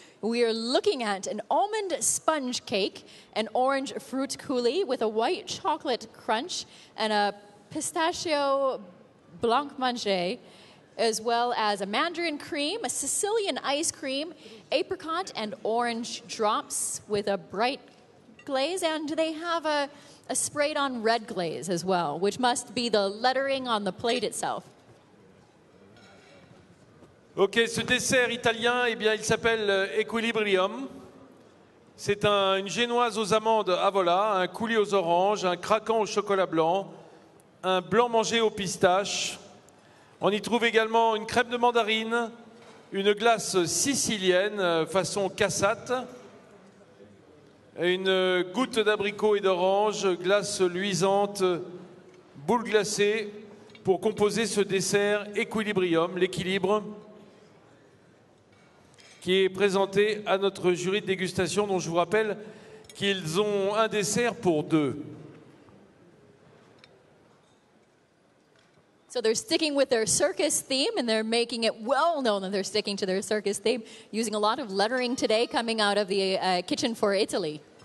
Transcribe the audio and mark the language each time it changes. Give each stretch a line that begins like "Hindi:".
English: We are looking at an almond sponge cake, an orange fruit coulis with a white chocolate crunch, and a pistachio blancmange, as well as a mandarin cream, a Sicilian ice cream, apricot and orange drops with a bright glaze, and they have a sprayed-on red glaze as well, which must be the lettering on the plate itself.
French: Ok, ce dessert italien, eh bien, il s'appelle Equilibrium. C'est une génoise aux amandes à vola, un coulis aux oranges, un craquant au chocolat blanc, un blanc mangé aux pistaches. On y trouve également une crème de mandarine, une glace sicilienne façon cassate, une goutte d'abricot et d'orange, glace luisante, boule glacée pour composer ce dessert Equilibrium, l'équilibre. Qui est présenté à notre jury de dégustation, dont je vous rappelle qu'ils ont un dessert pour deux.
English: So they're sticking with their circus theme, and they're making it well known that they're sticking to their circus theme, using a lot of lettering today coming out of the kitchen for Italy.